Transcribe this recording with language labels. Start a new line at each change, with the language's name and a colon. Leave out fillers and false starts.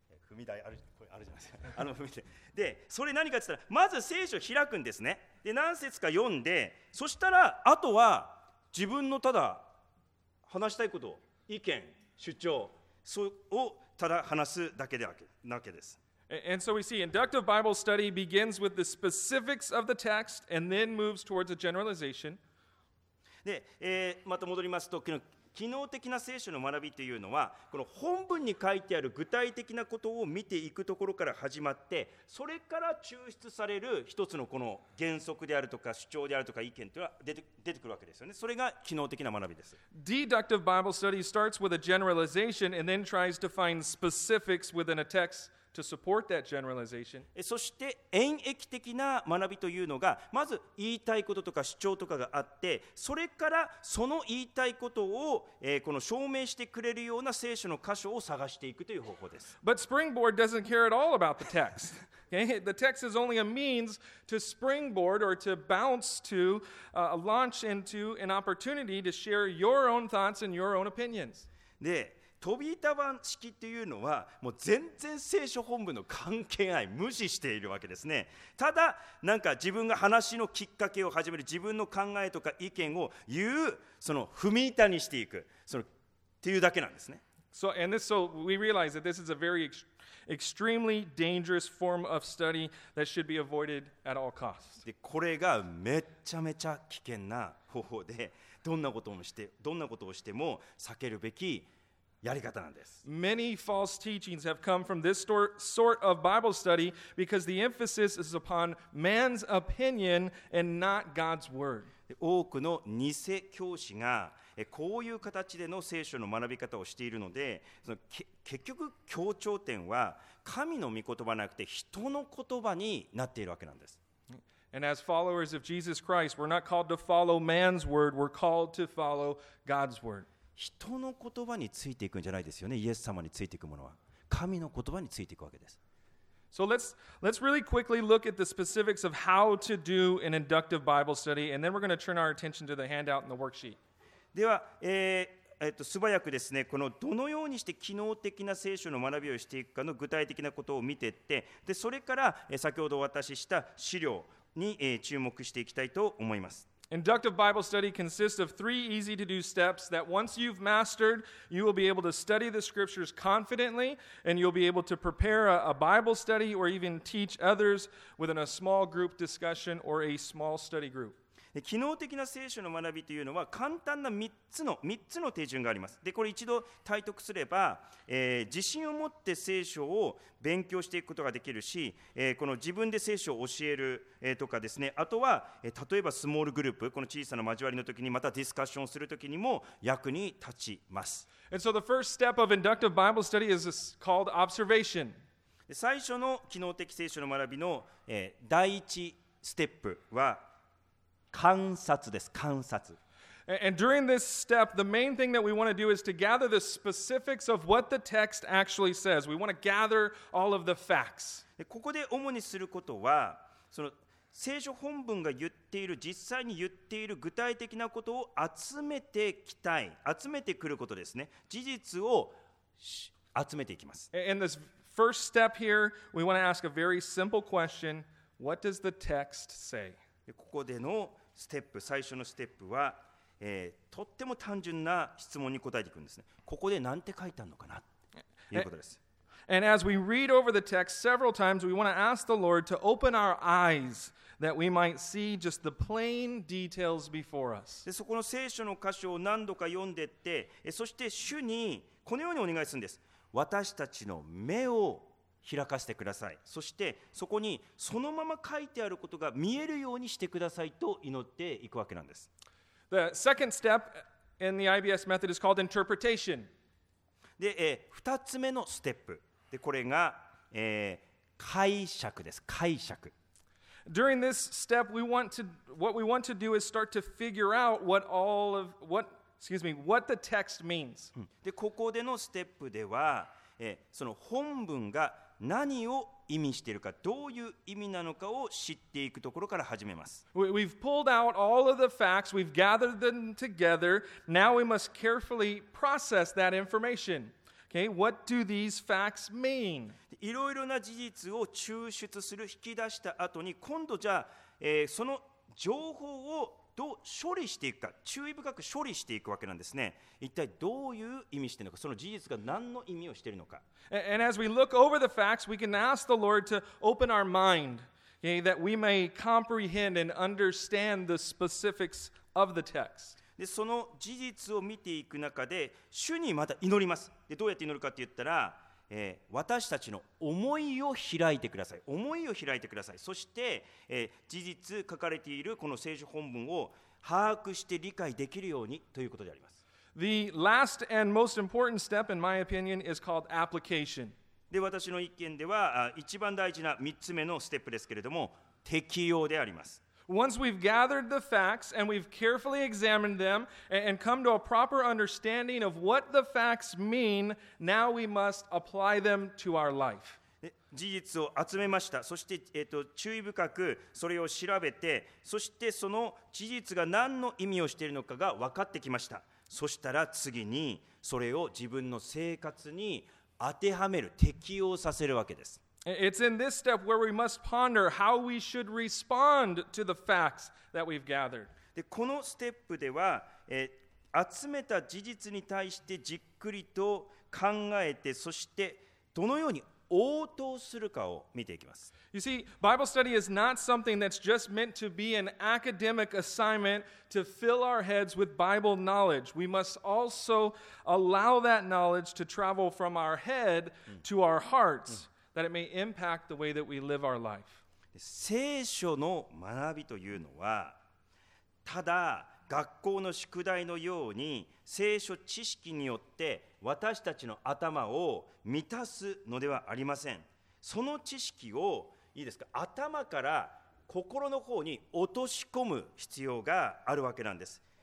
Japanese: 踏み台あるじゃないですか。踏み台。で、それ何かって言ったら、まず聖書を開くんですね。で、何節か読んで、そしたら、あとは自分のただ話したいこと、意見、主張、それをただ話すだけなわけです。
English: And so we see inductive Bible study begins with the specifics of the text and then moves towards a generalization.
Japanese: で、また戻りますと、機能的な聖書の学びというのは、この本文に書いてある具体的なことを見ていくところから始まって、それから抽出される一つのこの原則であるとか主張であるとか意見というのは出てくるわけですよね。それが機能的な学びです。
English: Deductive Bible study starts with a generalization and then tries to find specifics within a text to support that generalization.
Japanese: そして演繹的な学びというのが、まず言いたいこととか主張とかがあって、それからその言いたいことを、この証明してくれるような聖書の箇所を探していくという方法です。
English: But springboard doesn't care at all about the text. Okay? The text is only a means to springboard or to bounce to, launch into an opportunity to share your own thoughts and your own opinions.
Japanese: で、飛び板式っていうのはもう全然聖書本部の関係ない無視しているわけですね。ただなんか自分が話のきっかけを始める自分の考えとか意見を言うその踏み板にしていくそのっていうだけなんですね。
English: So, and this, so we realize that this is a very extremely dangerous form of study that should be avoided at all costs.
Japanese: で、これがめちゃめちゃ危険な方法でどんなことをしても避けるべきやり方なんです。
English: Many false teachings have come from this sort of Bible study because the emphasis is upon man's opinion and not God's word.
Japanese: 多くの偽教師がこういう形での聖書の学び方をしているので、その結局強調点は神の御言葉ではなくて人の言葉になっているわけなんです。
English: And as followers of Jesus Christ, we're not called to follow man's word, we're called to follow God's word.
Japanese: 人の言葉についていくんじゃないですよね。イエス様についていくものは神の言葉についていくわけです。
English: So let's really quickly look at the specifics of how to do an inductive Bible study, and then we're going to turn our attention to the handout and the worksheet.
Japanese: では、素早くですね、このどのようにして機能的な聖書の学びをしていくかの具体的なことを見ていって、でそれから先ほどお渡しした資料に、注目していきたいと思います。
English: Inductive Bible study consists of three easy to do steps that once you've mastered, you will be able to study the scriptures confidently and you'll be able to prepare a Bible study or even teach others within a small group discussion or a small study group.
Japanese: 機能的な聖書の学びというのは簡単な3つの手順があります。で、これ一度体得すれば、自信を持って聖書を勉強していくことができるし、この自分で聖書を教える、とかですね、あとは、例えばスモールグループ、この小さな交わりの時にまたディスカッションする時にも役に立ちます。
English: And so the first step of inductive Bible study is called observation.
Japanese: 最初の機能的聖書の学びの、第一ステップは観察です。観察。
English: And during this step, the main thing that we want to do is to gather the specifics of what the text actually says. We want to gather all of the facts.
Japanese: ここで主にすることは、その聖書本文が言っている、実際に言っている具体的なことを集めてきたい、集めてくることですね。事実を集めていきます。
English: And this first step here, we want to ask a very simple question. What does the text say?
Japanese: ここでのステップ、最初のステップは、とっても単純な質問に答えていくんですね。ここで何て書いてあるのかなということです。
English: And as we read over the text several times, we want to ask the Lord to open our eyes that we might see just the plain details before us.
Japanese: で、そこの聖書の箇所を何度か読んでって、そして主にこのようにお願いするんです。私たちの目を開かせてください。そしてそこにそのまま書いてあることが見えるようにしてくださいと祈っていくわけなんです。
English: The second step in the IBS method is called interpretation.
Japanese: で、2つ目のステップ。で、これが、解釈です。解釈。
English: During this step, what we want to do is start to figure out what the text means.
Japanese: で、ここでのステップでは、その本文が何を意味しているか、どういう意味なのかを知っていくところから始めます。
English: We've pulled out all of the facts, we've gathered them together. Now we must carefully process that information. Okay, what do these facts mean?
Japanese: いろいろな事実を抽出する、引き出した後に、今度じゃあ、その情報をどう処理していくか、注意深く処理していくわけなんですね。一体どういう意味しているのか、その事実が何の意味をしているのか。
English: And as we look over the facts, we can ask the Lord to open our mind, okay, that we may comprehend and understand the specifics of the text.
Japanese: で、その事実を見ていく中で、主にまた祈ります。で、どうやって祈るかって言ったら、私たちの思いを開いてください。思いを開いてください。そして、事実書かれているこの聖書本文を把握して理解できるようにということであります。
English: The last and most important step, in my opinion, is called application.
Japanese: で、私の意見では、一番大事な三つ目のステップですけれども、適用であります。
English: Once we've gathered the facts and we've carefully examined them and come to a proper understanding of what the facts mean, now we must apply them to our life.
Japanese: 事実を集めました。そして、注意深くそれを調べて、そしてその事実が何の意味をしているのかが分かってきました。そしたら次にそれを自分の生活に当てはめる、適用させるわけです。
English: It's in this step where we must ponder how we should respond to the facts that we've gathered.
Japanese: で、このステップでは、集めた事実に対してじっくりと考えて、そしてどのように応答するかを見ていきます。
English: You see, Bible study is not something that's just meant to be an academic assignment to fill our heads with Bible knowledge. We must also allow that knowledge to travel from our head to our hearts. That it may impact the way that we live our life.
Japanese: 聖書の学びというのは、ただ学校の宿題のように聖書知識によって私たちの頭を満たすのではありません。その知識をいいですか、頭から心の方に落とし込む必要があるわけなんです。